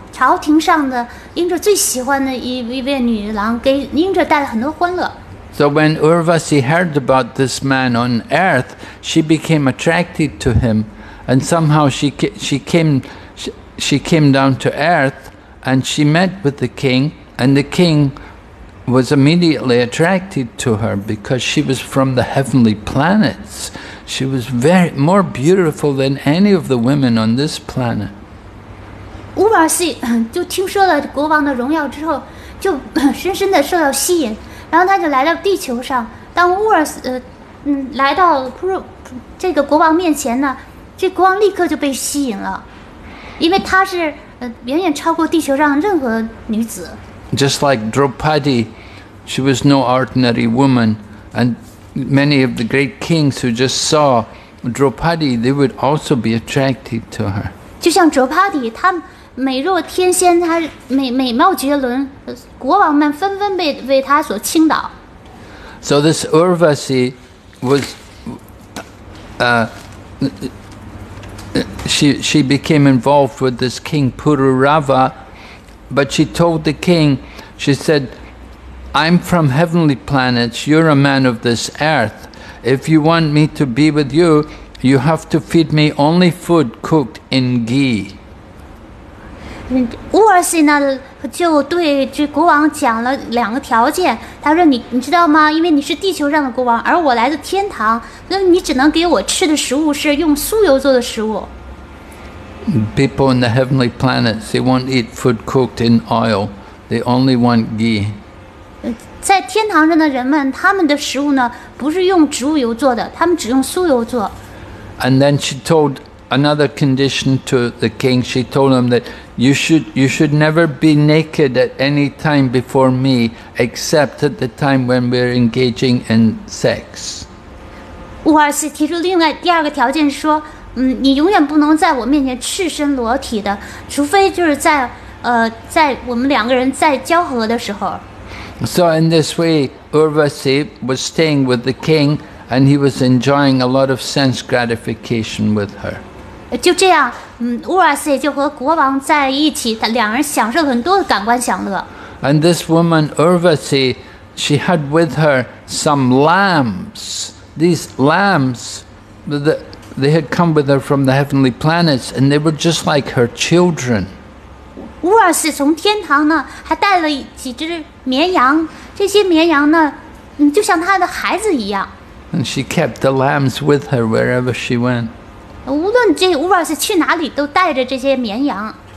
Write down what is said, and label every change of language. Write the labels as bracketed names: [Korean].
[Chinese] 朝廷上的英哲最喜欢的一位女郎，给英哲带了很多欢乐。 [English] So when Urvasi heard about this man on earth, she became attracted to him, and somehow she came down to earth, and she met with the king, and the king was immediately attracted to her because she was from the heavenly planets. She was very more beautiful than any of the women on this planet. [Chinese] 乌瓦西就听说了国王的荣耀之后，就深深的受到吸引，然后他就来到地球上。当乌瓦西来到这个国王面前呢，这国王立刻就被吸引了，因为他是远远超过地球上任何女子。 [English] Just like Draupadi, she was no ordinary woman, and many of the great kings who just saw Draupadi, they would also be attracted to her. [Chinese] 就像卓帕迪，她美若天仙，她美貌绝伦，国王们纷纷被为她所倾倒。 [English] So this Urvasi was, she became involved with this King Puru Rava, but she told the king, she said, "I'm from heavenly planets. You're a man of this earth. If you want me to be with you." You have to feed me only food cooked in ghee. [Chinese] 乌尔西呢就对这国王讲了两个条件。他说你知道吗？因为你是地球上的国王，而我来自天堂，那你只能给我吃的食物是用酥油做的食物。 [English] People in the heavenly planets, they won't eat food cooked in oil. They only want ghee. [Chinese] 在天堂上的人们，他们的食物呢不是用植物油做的，他们只用酥油做。 [English] And then she told another condition to the king. She told him that you should never be naked at any time before me, except at the time when we're engaging in sex. [Chinese] 乌尔西提出另外第二个条件说，你永远不能在我面前赤身裸体的，除非就是在我们两个人在交合的时候。 [English] So in this way, Urvasi was staying with the king. And he was enjoying a lot of sense gratification with her. [Chinese] 就这样，乌尔西就和国王在一起，他两人享受很多的感官享乐。 [English] And this woman Urvasi, she had with her some lambs. These lambs, they had come with her from the heavenly planets, and they were just like her children. [Chinese] 乌尔斯从天堂呢还带了几只绵羊，这些绵羊呢就像他的孩子一样。 [English] And she kept the lambs with her wherever she went. [Chinese] 无论这乌尔斯去哪里都带着这些绵羊、